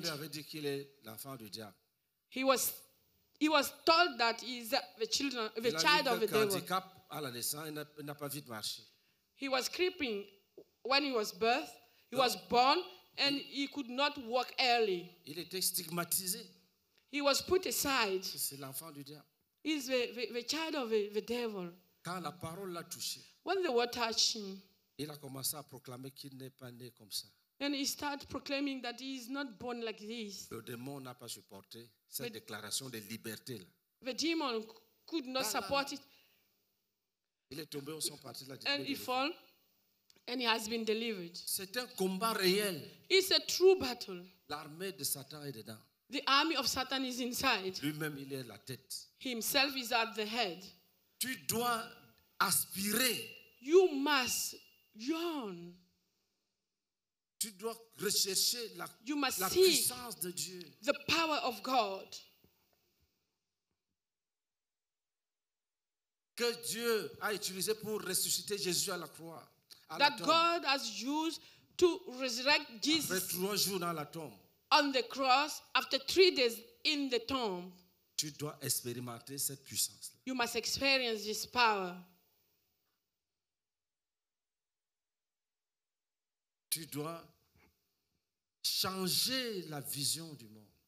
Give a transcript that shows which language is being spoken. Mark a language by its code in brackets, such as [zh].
[fr] On lui avait dit qu'il est l'enfant du diable. [en] He was told that he's the child of the devil. [fr] Il a eu un handicap à la naissance, il n'a pas vite marché. [en] He was creeping when he was birth. He was born and he could not walk early. [fr] Il était stigmatisé. [en] He was put aside. [fr] C'est l'enfant du diable. [en] He's the child of the devil. [fr] Quand la parole l'a touché. [en] When the word touched him. [fr] Il a commencé à proclamer qu'il n'est pas né comme ça. [en] And he started proclaiming that he is not born like this. [fr] Le démon n'a pas supporté cette déclaration de liberté. [en] The demon could not support it. [fr] Il est tombé, on s'en partit là. [en] And he fell, and he has been delivered. [fr] C'est un combat réel. [en] It's a true battle. [fr] L'armée de Satan est dedans. [en] The army of Satan is inside. [fr] Lui-même, il est la tête. [en] Himself is at the head. [fr] Tu dois aspirer. [en] You must yearn. [fr] Tu dois rechercher la puissance de Dieu. [en] The power of God. [fr] Que Dieu a utilisé pour ressusciter Jésus à la croix. [en] That God has used to resurrect Jesus. [fr] Après 3 jours dans la tombe. [en] On the cross, after 3 days in the tomb. [fr] Tu dois expérimenter cette puissance. [en] You must experience this power. [fr] Tu dois changer la vision du monde.